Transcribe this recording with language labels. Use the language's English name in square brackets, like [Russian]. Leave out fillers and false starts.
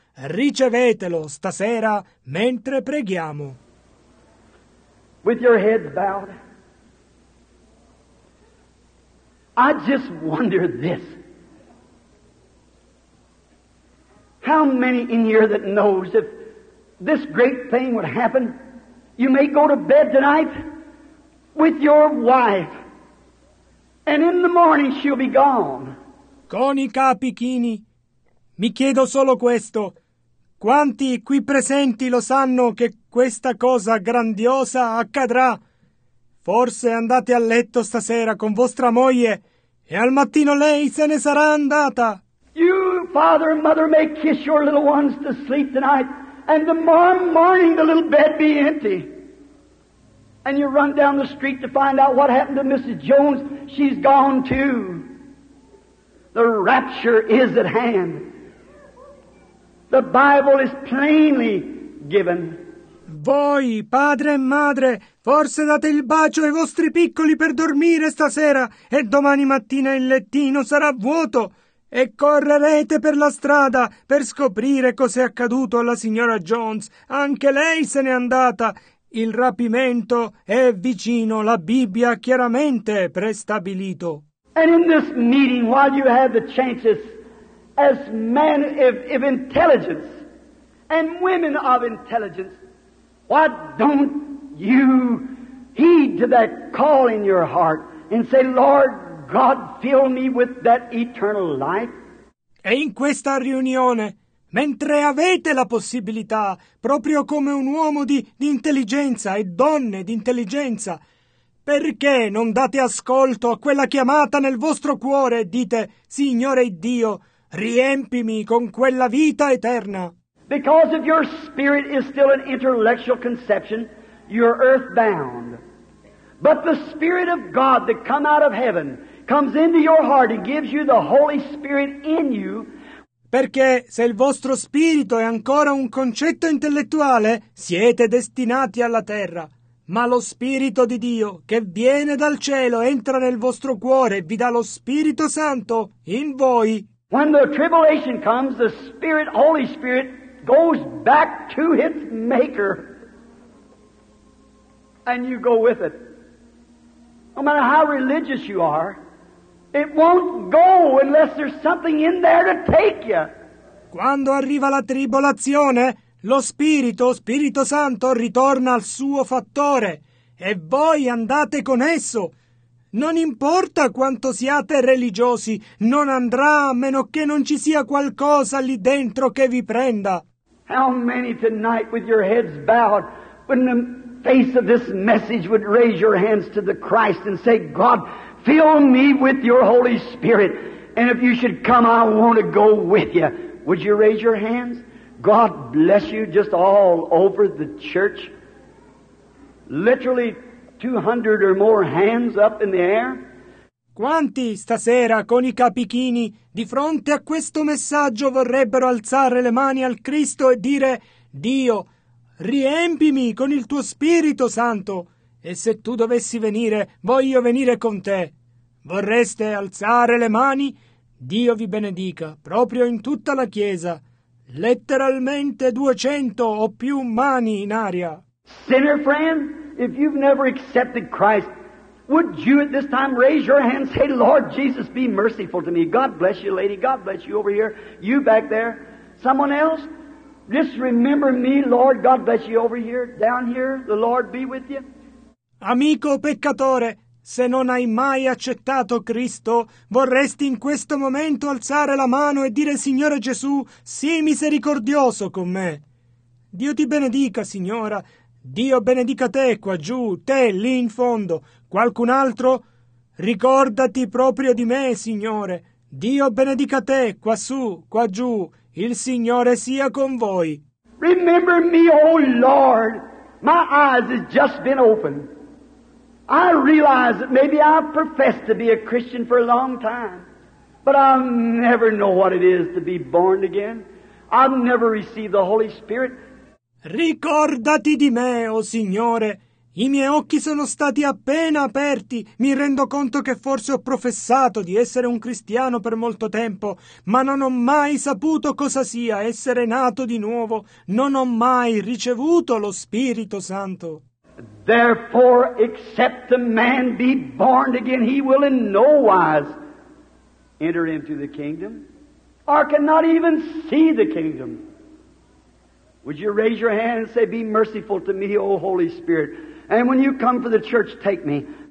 [Italian] Ricevetelo stasera mentre preghiamo. [English] With your heads bowed, I just wonder this. How many in here that knows if this great thing would happen, you may go to bed tonight with your wife, and in the morning she'll be gone. [Italian] Con i capi chini, mi chiedo solo questo. Quanti qui presenti lo sanno che questa cosa grandiosa accadrà? Forse andate a letto stasera con vostra moglie, e al mattino lei se ne sarà andata. [English] You, father and mother, may kiss your little ones to sleep tonight, and tomorrow morning the little bed be empty. And you run down the street to find out what happened to Mrs. Jones. She's gone too. The rapture is at hand. The Bible is plainly given. [Italian] Voi, padre e madre, forse date il bacio ai vostri piccoli per dormire stasera, e domani mattina il lettino sarà vuoto. e correrete per la strada per scoprire cos'è accaduto alla signora Jones. Anche lei se n'è andata. Il rapimento è vicino. La Bibbia ha chiaramente prestabilito. [English] And in this meeting, while you have the chances, as men of intelligence and women of intelligence, why don't you heed to that call in your heart and say, Lord God, fill me with that eternal life? [Italian] E in questa riunione, mentre avete la possibilità, proprio come un uomo di intelligenza e donne di intelligenza, perché non date ascolto a quella chiamata nel vostro cuore e dite, Signore Dio, riempimi con quella vita eterna? [English] Because if your spirit is still an intellectual conception, you're earthbound. But the Spirit of God that come out of heaven comes into your heart and gives you the Holy Spirit in you. [Italian] Perché se il vostro spirito è ancora un concetto intellettuale, siete destinati alla terra. Ma lo Spirito di Dio, che viene dal cielo, entra nel vostro cuore e vi dà lo Spirito Santo in voi. [English] When the tribulation comes, the Spirit, Holy Spirit, goes back to its maker. And you go with it. No matter how religious you are, it won't go unless there's something in there to take you. [Italian] Quando arriva la tribolazione, lo Spirito Santo, ritorna al suo fattore e voi andate con esso. Non importa quanto siate religiosi, non andrà a meno che non ci sia qualcosa lì dentro che vi prenda. [English] How many tonight with your heads bowed, when the face of this message would raise your hands to the Christ and say, God, fill me with your Holy Spirit, and if you should come, I want to go with you. Would you raise your hands? God bless you, just all over the church. Literally 200 or more hands up in the air. [Italian] Quanti stasera con i capichini di fronte a questo messaggio vorrebbero alzare le mani al Cristo e dire, Dio, riempimi con il tuo Spirito Santo, e se tu dovessi venire, voglio venire con te. Vorreste alzare le mani? Dio vi benedica, proprio in tutta la Chiesa. Letteralmente 200 o più mani in aria. [English] Sinner friend, if you've never accepted Christ, would you at this time raise your hand and say, Lord Jesus, be merciful to me. God bless you, lady. God bless you over here. You back there. Someone else? Just remember me, Lord. God bless you over here. Down here, the Lord be with you. [Italian] Amico peccatore, se non hai mai accettato Cristo, vorresti in questo momento alzare la mano e dire, Signore Gesù, sii misericordioso con me. Dio ti benedica, signora. Dio benedica te qua giù, te lì in fondo. Qualcun altro? Ricordati proprio di me, Signore. Dio benedica te qua su, qua giù. Il Signore sia con voi. [English] Remember me, O Lord. My eyes have just been opened. I realize that maybe I've professed to be a Christian for a long time, but I'll never know what it is to be born again. I'll never receive the Holy Spirit. [Italian] Ricordati di me, O Signore. I miei occhi sono stati appena aperti. Mi rendo conto che forse ho professato di essere un cristiano per molto tempo, ma non ho mai saputo cosa sia essere nato di nuovo. Non ho mai ricevuto lo Spirito Santo. [English] Therefore, except the man be born again, he will in no wise enter into the kingdom, or cannot even see the kingdom. Would you raise your hand and say, be merciful to me, O Holy Spirit, and when you come for the church, take me.